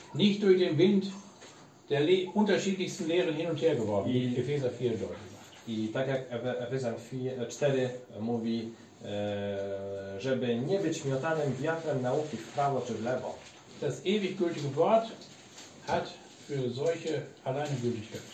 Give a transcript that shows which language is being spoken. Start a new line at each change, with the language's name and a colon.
German: Nicht durch den Wind der unterschiedlichsten Lehren hin und her geworden. Epheser 4 deutlich.
Polish: I tak jak Epheser 4 mówi, żeby nie być miotanym wiatrem nauki w prawo czy w lewo.
German: Das ewig gültige Wort hat für solche alleine Gültigkeit.